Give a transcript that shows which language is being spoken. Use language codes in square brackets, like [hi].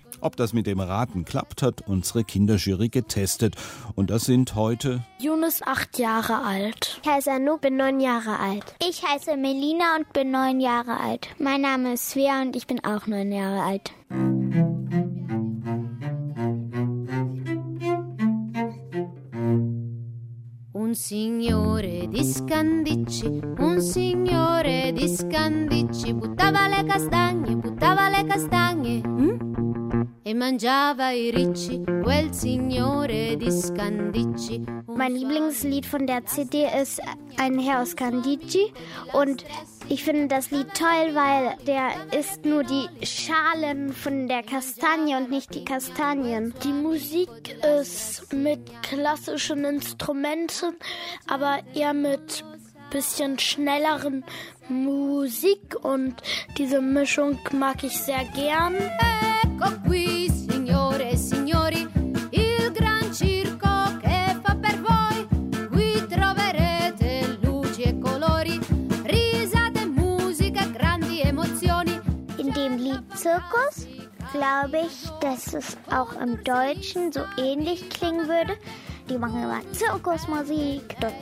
[de] Ob das mit dem Raten klappt, hat unsere Kinderjury getestet. Und das sind heute... Jonas, 8 Jahre alt. Ich heiße Anu, bin 9 Jahre alt. Ich heiße Melina und bin 9 Jahre alt. Mein Name ist Svea und ich bin auch 9 Jahre alt. [it] Un signore di Scandicci, un signore di Scandicci, buttava le castagne, e mangiava i ricci, quel signore di Scandicci. [de] Mein Lieblingslied von der CD ist Ein Herr aus Scandicci und ich finde das Lied toll, weil der isst nur die Schalen von der Kastanie und nicht die Kastanien. Die Musik ist mit klassischen Instrumenten, aber eher mit bisschen schnelleren Musik und diese Mischung mag ich sehr gern. [it] Ecco qui, signore e signori, il gran circo che fa per voi. Qui troverete luci e colori, risate, musica, grandi emozioni. [de] In dem Lied Zirkus glaube ich, dass es auch im Deutschen so ähnlich klingen würde. Die machen immer Zirkusmusik.